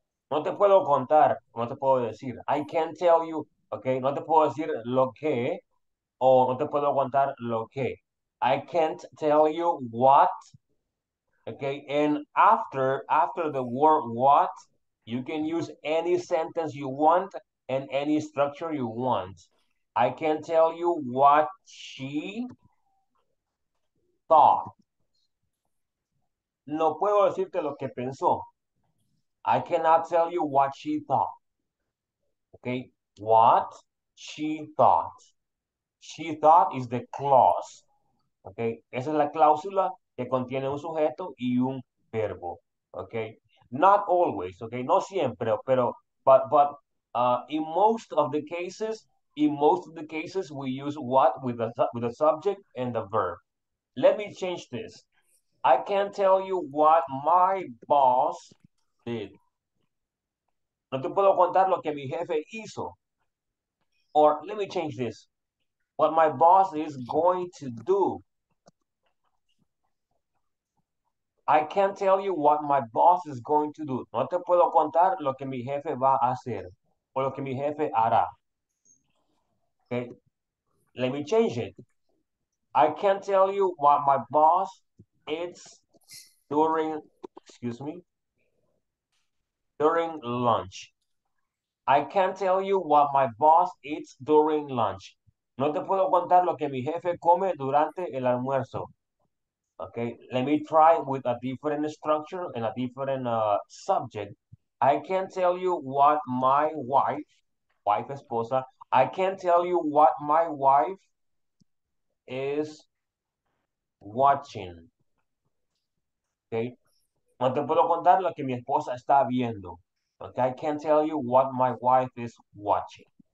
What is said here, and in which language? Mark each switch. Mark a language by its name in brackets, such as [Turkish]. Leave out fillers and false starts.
[Spanish] No te puedo contar, no te puedo decir. [English] I can't tell you, okay? [Spanish] No te puedo decir lo que, o no te puedo contar lo que. [English] I can't tell you what, okay? And after the word what, you can use any sentence you want and any structure you want. I can't tell you what she thought. [Spanish] No puedo decirte lo que pensó. [English] I cannot tell you what she thought, okay? What she thought. She thought is the clause. [Spanish] Okay, esa es la cláusula que contiene un sujeto y un verbo. [English] Okay, not always. Okay, [Spanish] no siempre, pero [English] in most of the cases, we use what with a subject and a verb. Let me change this. I can't tell you what my boss did. [Spanish] No te puedo contar lo que mi jefe hizo. [English] Or let me change this. What my boss is going to do. I can't tell you what my boss is going to do. [Spanish] No te puedo contar lo que mi jefe va a hacer o lo que mi jefe hará. [English] Okay, let me change it. I can't tell you what my boss eats during lunch. I can't tell you what my boss eats during lunch. [Spanish] No te puedo contar lo que mi jefe come durante el almuerzo. [English] Okay, let me try with a different structure and a different subject. I can't tell you what my wife, esposa, I can't tell you what my wife is watching. [Spanish] Okay, no te puedo contar lo que mi esposa está viendo. [English] Okay, I can tell you what my wife is watching.